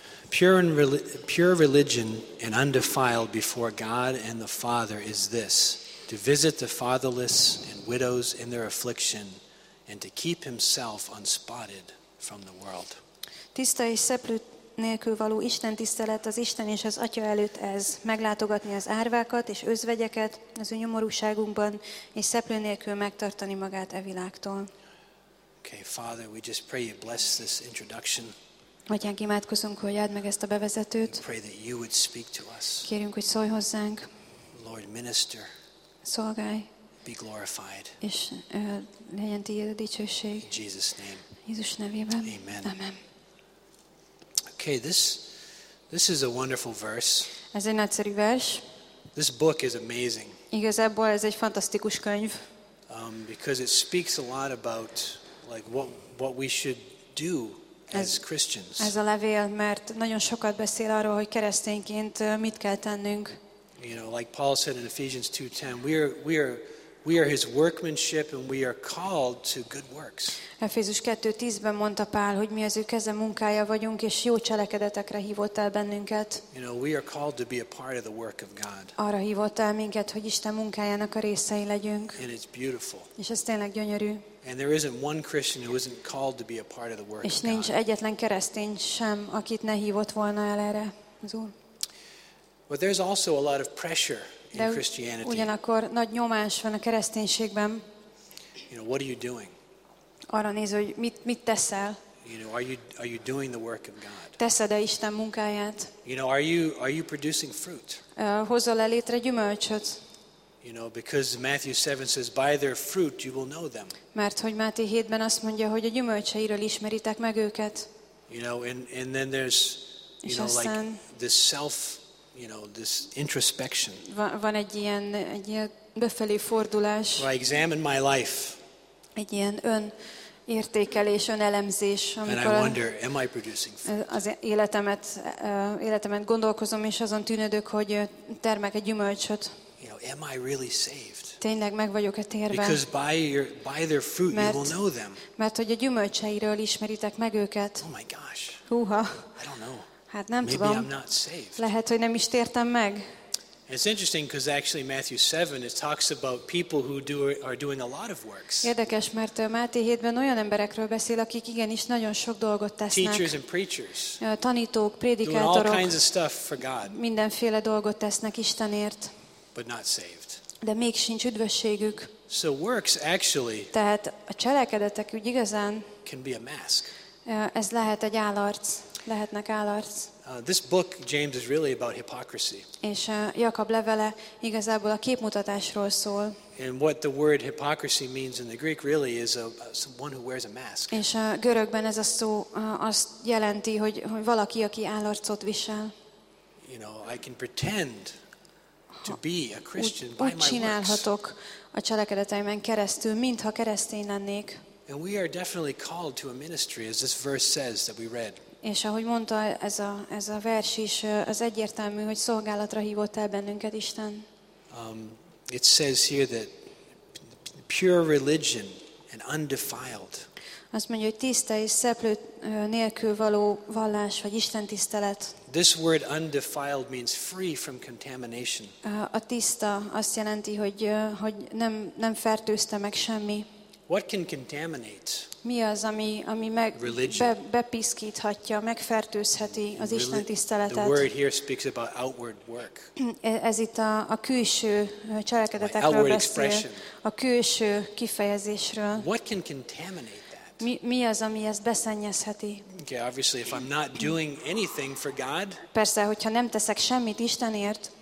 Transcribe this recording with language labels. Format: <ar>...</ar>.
<en>Pure religion and undefiled before God and the Father is this, to visit the fatherless and widows in their affliction and to keep himself unspotted from the world.</en> <hu>Tiszta és szeplő nélkül való Isten tisztelet az Isten és az Atya előtt ez, meglátogatni az árvákat és özvegyeket az ő nyomorúságunkban, és szeplő nélkül megtartani magát e világtól.</hu> <en>Okay, Father, we just pray you bless this introduction.</en> <hu>Atyánk, imádkozunk, hogy add meg ezt a bevezetőt.</hu> <en>We pray that you would speak to us.</en> <hu>Kérünk, hogy szólj hozzánk.</hu> <en>Lord, minister.</en> <hu>Szolgálj.</hu> <en>Be glorified.</en> <hu>És legyen tiéd a dicsőség.</hu> <en>In Jesus name.</en> <hu>Jézus nevében.</hu> <en>Amen.</en> <hu>Amen.</hu> <en>Okay, this is a wonderful verse.</en> <hu>Ez egy nagyszerű vers.</hu> <en>This book is amazing.</en> <hu>Igazából ez egy fantasztikus könyv.</hu> <en>Because it speaks a lot about like what we should do as Christians.</en> <hu>Ez a levél, mert nagyon sokat beszél arról, hogy keresztényként mit kell tennünk.</hu> <en>You know, like Paul said in Ephesians 2:10, we are his workmanship and we are called to good works.</en> <hu>Efézus 2:10-ben mondta Pál, hogy mi az ő keze munkája vagyunk, és jó cselekedetekre hívott el bennünket.</hu> <en>You know, we are called to be a part of the work of God.</en> <hu>Arra hívott el minket, hogy Isten munkájának a részei legyünk.</hu> <en>And it's beautiful.</en> <hu>És ez tényleg gyönyörű.</hu> <en>And there isn't one Christian who isn't called to be a part of the work of God.</en> <hu>És nincs egyetlen keresztény sem, akit ne hívott volna el erre az Úr.</hu> <en>But there's also a lot of pressure.</en> <hu>De ugyanakkor nagy nyomás van a kereszténységben.</hu> <en>You know, what are you doing?</en> <hu>Arra néz, hogy mit teszel.</hu> <en>You know, are you doing the work of God?</en> <hu>Teszed-e Isten munkáját?</hu> <en>You know, are you producing fruit?</en> <hu>Hozol-e létre gyümölcsöt?</hu> <en>You know, because Matthew 7 says, by their fruit you will know them.</en> <hu>Mert hogy Máté 7-ben azt mondja, hogy a gyümölcseiről ismeritek meg őket.</hu> <en>You know, and then there's, you know, like this self, you know, this introspection.</en> <hu>Van egy ilyen befelé fordulás.</hu> <en>Where I examine my life.</en> <hu>Egy ilyen önértékelés, önelemzés, amikor</hu> <en>and I wonder, am I producing fruit?</en> <hu>Az életemet gondolkozom, és azon tűnődök, hogy termek egy gyümölcsöt.</hu> <en>You know, am I really saved?</en> <hu>Tényleg meg vagyok-e térve?</hu> <en>Because by their fruit you will know them.</en> <hu>Mert hogy a gyümölcseiről ismeritek meg őket.</hu> <en>Oh my gosh.</en> <hu>Húha.</hu> <en>I don't know.</en> <hu>Hát nem</hu> <en>maybe</en> <hu>tudom.</hu> <en>I'm not saved.</en> <hu>Lehet, hogy nem is tértem meg.</hu> <en>It's interesting because actually Matthew 7 it talks about people who are doing a lot of works.</en> <hu>Érdekes, mert Máté 7-ben olyan emberekről beszél, akik igenis nagyon sok dolgot tesznek.</hu> <en>Teachers and preachers.</en> <hu>Tanítók, prédikátorok.</hu> <en>Doing all kinds of stuff for God.</en> <hu>Mindenféle dolgot tesznek Istenért.</hu> <en>But not saved.</en> <hu>De még sincs üdvösségük.</hu> <en>So works actually.</en> <hu>Tehát a cselekedetek úgy igazán.</hu> <en>Can be a mask.</en> <hu>Ez lehet egy álarc. Lehetnek álarc.</hu> <en>This book James is really about hypocrisy.</en> <hu>És Jakab levele igazából a képmutatásról szól.</hu> <en>And what the word hypocrisy means in the Greek really is one who wears a mask.</en> <hu>És a görögben ez a szó azt jelenti, hogy valaki, aki álarcot visel.</hu> <en>You know, I can pretend to be a Christian by my works.</en> <hu>Úgy csinálhatok a cselekedeteimen keresztül, mintha keresztény lennék.</hu> <en>And we are definitely called to a ministry as this verse says that we read.</en> <hu>És ahogy mondta ez a vers is, az egyértelmű, hogy szolgálatra hívott el bennünket Isten.</hu> <en>It says here that pure religion and undefiled.</en> <hu>Azt mondja, hogy tiszta és szeplő nélkül való vallás vagy istentisztelet.</hu> <en>This word undefiled means free from contamination.</en> <hu>A tiszta azt jelenti, hogy nem fertőzte meg semmi.</hu> <en>What can contaminate?</en> <hu>Mi az, ami meg bepiszkíthatja, megfertőzheti az istentiszteletet?</hu> <en>The word here speaks about outward work.</en> <hu>Ez itt a külső cselekedetekről beszél. A külső kifejezésről.</hu> <en>What can contaminate?</en> <hu>Mi az, ami ezt beszennyezheti?</hu> <en>Okay, obviously if I'm not doing anything for God.</en> <hu>Persze, hogyha nem teszek semmit Istenért.</hu>